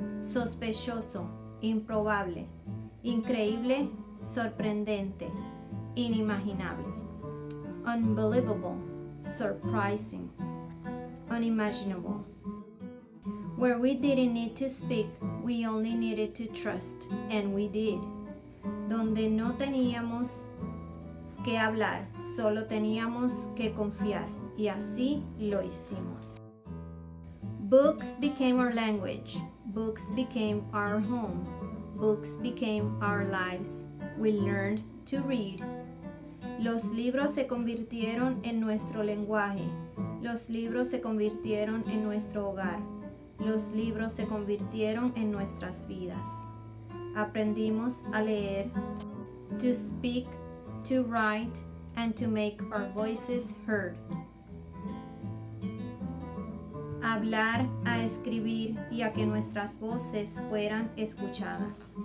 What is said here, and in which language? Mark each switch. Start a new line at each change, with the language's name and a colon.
Spanish: Sospechoso, improbable. Increíble, sorprendente, inimaginable.
English: Unbelievable, surprising, unimaginable. Where we didn't need to speak, we only needed to trust, and we did.
Spanish: Donde no teníamos que hablar, solo teníamos que confiar, y así lo hicimos.
English: Books became our language. Books became our home. Books became our lives. We learned to read.
Spanish: Los libros se convirtieron en nuestro lenguaje. Los libros se convirtieron en nuestro hogar. Los libros se convirtieron en nuestras vidas. Aprendimos a leer,
English: to speak, to write, and to make our voices heard.
Spanish: Hablar, a escribir, y a que nuestras voces fueran escuchadas.